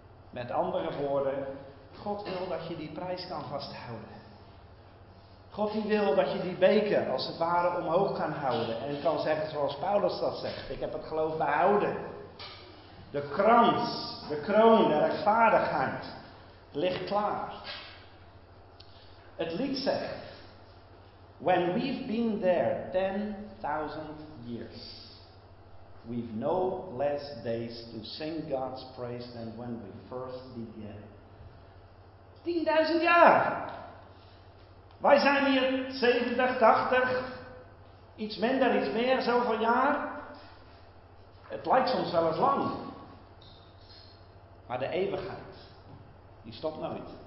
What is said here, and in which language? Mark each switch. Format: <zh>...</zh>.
<nl>Met andere woorden, God wil dat je die prijs kan vasthouden. God die wil dat je die beker als het ware omhoog kan houden. En kan zeggen zoals Paulus dat zegt, ik heb het geloof behouden. De krans, de kroon, de rechtvaardigheid ligt klaar. Het lied zegt,</nl> <en>when we've been there 10,000 years, we've no less days to sing God's praise than when we first began.</en> <nl>10,000 jaar! Wij zijn hier 70, 80, iets minder, iets meer, zoveel jaar. Het lijkt soms wel eens lang. Maar de eeuwigheid, die stopt nooit.</nl>